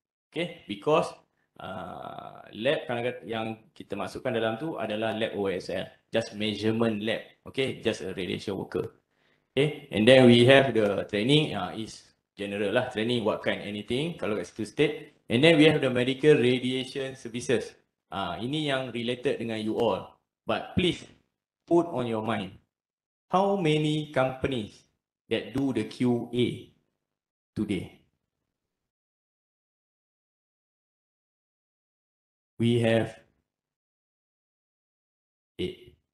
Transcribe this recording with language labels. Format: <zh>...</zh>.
<ms>Okay,</ms> <en>because</en> <ms>lab yang kita masukkan dalam tu adalah lab OSL.</ms> <en>Just measurement lab, okay, just a radiation worker. Okay, and then we have the training, is general lah, training what kind, anything,</en> <ms>kalau kat situ</ms> <en>state. And then we have the medical radiation services.</en> <ms>Ini yang related dengan</ms> <en>you all. But please put on your mind, how many companies that do the QA today? We have 8.</en>